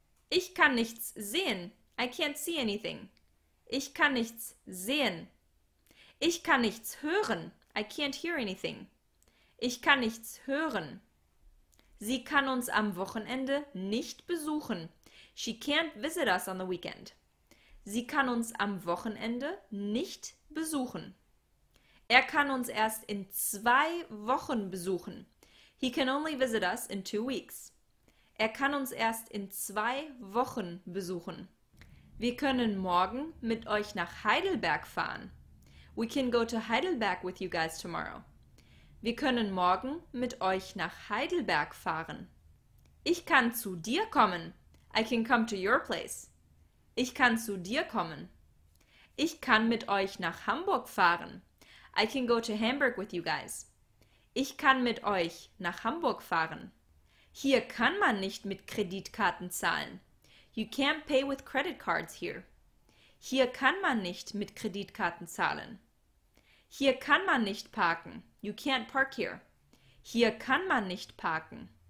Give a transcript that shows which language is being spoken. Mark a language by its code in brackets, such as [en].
[de] Ich kann nichts sehen. [en] I can't see anything. [de] Ich kann nichts sehen. Ich kann nichts hören. [en] I can't hear anything. [de] Ich kann nichts hören. Sie kann uns am Wochenende nicht besuchen. [en] She can't visit us on the weekend. [de] Sie kann uns am Wochenende nicht besuchen. Er kann uns erst in 2 Wochen besuchen. [en] He can only visit us in 2 weeks. [de] Er kann uns erst in 2 Wochen besuchen. Wir können morgen mit euch nach Heidelberg fahren. [en] We can go to Heidelberg with you guys tomorrow. [de] Wir können morgen mit euch nach Heidelberg fahren. Ich kann zu dir kommen. [en] I can come to your place. [de] Ich kann zu dir kommen. Ich kann mit euch nach Hamburg fahren. [en] I can go to Hamburg with you guys. [de] Ich kann mit euch nach Hamburg fahren. Hier kann man nicht mit Kreditkarten zahlen. [en] You can't pay with credit cards here. [de] Hier kann man nicht mit Kreditkarten zahlen. Hier kann man nicht parken. [en] You can't park here. [de] Hier kann man nicht parken.